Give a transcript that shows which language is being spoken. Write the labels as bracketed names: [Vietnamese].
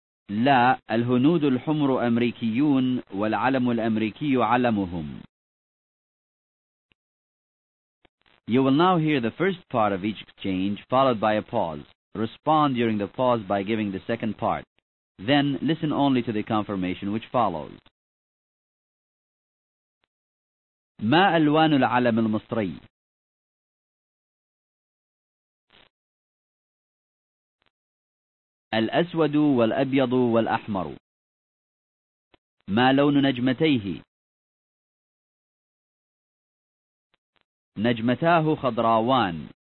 [Arabic] لا، الهنود الحمر أمريكيون، والعلم الأمريكي علمهم. [English] You will now hear the first part of each exchange, followed by a pause. Respond during the pause by giving the second part. Then listen only to the confirmation which follows. [Arabic] ما ألوان العلم المصري؟ الأسود والأبيض والأحمر. ما لون نجمتيه؟ نجمتاه خضراوان.